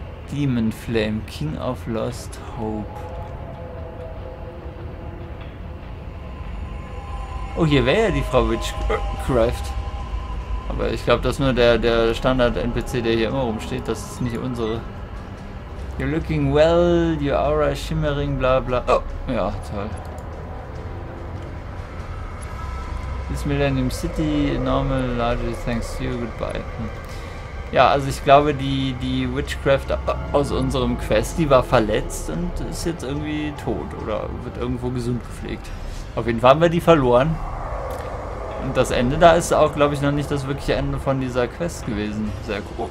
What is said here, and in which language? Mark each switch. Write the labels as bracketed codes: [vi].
[en] Demon Flame, King of Lost Hope. [de] Oh, hier wäre ja die Frau Witchcraft. Aber ich glaube, das ist nur der Standard-NPC, der hier immer rumsteht. Das ist nicht unsere. [en] You're looking well, your aura is shimmering, bla bla. [de] Oh, ja, toll. [en] This Millennium City, normal, largely thanks to you, goodbye. [de] Ja, also ich glaube, die Witchcraft aus unserem Quest, die war verletzt und ist jetzt irgendwie tot oder wird irgendwo gesund gepflegt. Auf jeden Fall haben wir die verloren. Und das Ende da ist auch, glaube ich, noch nicht das wirkliche Ende von dieser Quest gewesen. Sehr komisch.